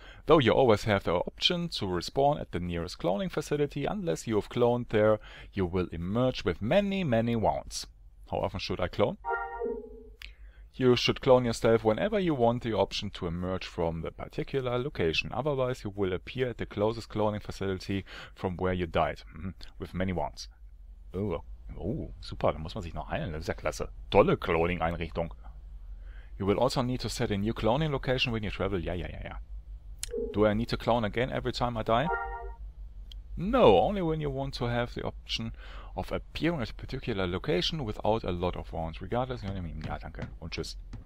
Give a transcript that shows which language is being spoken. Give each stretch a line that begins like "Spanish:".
English: Though you always have the option to respawn at the nearest cloning facility, unless you have cloned there, you will emerge with many, many wounds. How often should I clone? You should clone yourself whenever you want the option to emerge from the particular location. Otherwise, you will appear at the closest cloning facility from where you died, with many wounds.
German: Oh, super, da muss man sich noch heilen, das ist ja klasse. Tolle Cloning-Einrichtung.
English: You will also need to set a new cloning location when you travel. Ja. Do I need to clone again every time I die? No, only when you want to have the option of appearing at a particular location without a lot of wounds, regardless, you know what I mean?
German: Ja, danke. Und tschüss.